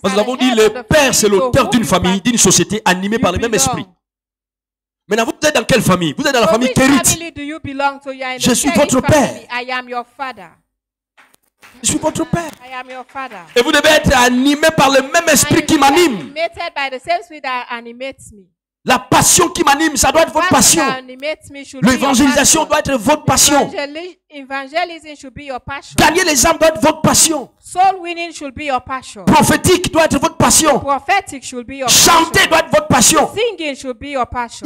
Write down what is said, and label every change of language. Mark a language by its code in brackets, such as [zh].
[fr] Parce que nous avons dit le père, c'est l'auteur d'une famille, d'une société animée par le même esprit. Maintenant, vous êtes dans quelle famille? Vous êtes dans la famille Kerit. Je suis votre père. [en] I am your father. [fr] Je suis votre père. [en] I am your father. [fr] Et vous devez être animé par le même esprit qui m'anime. [en] Animated by the same spirit that animates me. [fr] La passion qui m'anime, ça doit être votre passion. L'évangélisation doit être votre passion. [en] Evangelism should be your passion. [fr] Gagner les âmes doit être votre passion. [en] Soul winning should be your passion. [fr] Prophétique doit être votre passion. [en] Prophetic should be your passion. [fr] Chanter doit être votre passion. [en] Singing should be your passion.